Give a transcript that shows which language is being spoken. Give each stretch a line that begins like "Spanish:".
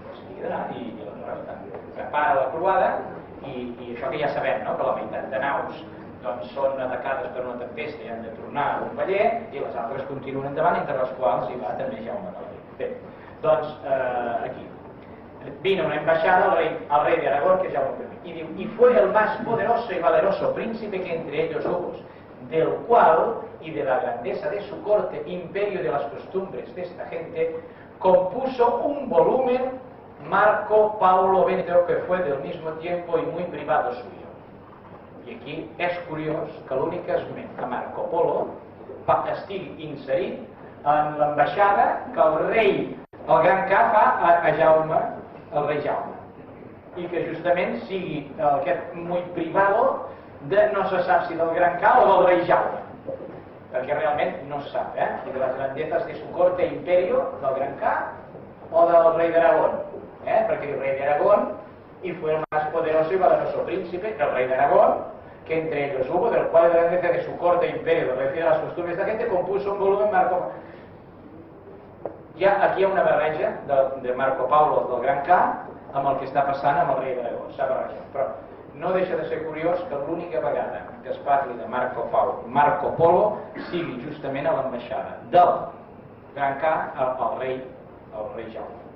Catalan: Això m'hi ajudarà i aleshores prepara la croada. I això que ja sabem, no?, que la meitat de naus són atacades per una tempesta i han de tornar a un veller i les altres continuen endavant, entre les quals hi va també Jaume Alaric. Bé, doncs aquí. Vine una embaixada al rei d'Aragón, que és Jaume I, i diu,
Spanish: i fue el más poderoso y valeroso príncipe que entre ellos hubo, del cual y de la grandeza de su corte, imperio de las costumbres de esta gente, compuso un volumen Marco Paulo Benedetto, que fue del mismo tiempo y muy privado suyo.
Catalan: I aquí és curiós que l'únic esment de Marco Polo estigui inserit en l'ambaixada que el rei, el gran K, fa a Jaume, el rei Jaume. I que justament sigui aquest
Spanish: muy privado
Catalan: de no se sap si del gran K o del rei Jaume. Perquè realment no se sap, eh? I de les grandetes
Spanish: de su corte imperio
Catalan: del gran K o del rei d'Aragón. Perquè el rei d'Aragón
Spanish: i fue el más poderoso y valeroso príncipe,
Catalan: el rei d'Aragón,
Spanish: que entre ellos hubo, del cual de la grandeza de su corte imperio, de la grandeza de las costumbres de la gente, compuso un volumen Marco...
Catalan: Aquí hi ha una barreja de Marco Paulo del gran K amb el que està passant amb el rei d'Aragó, sabe això. Però no deixa de ser curiós que l'única vegada que es parli de Marco Pau, Marco Polo, sigui justament a l'ambaixada del Gran Ca al rei Jaume.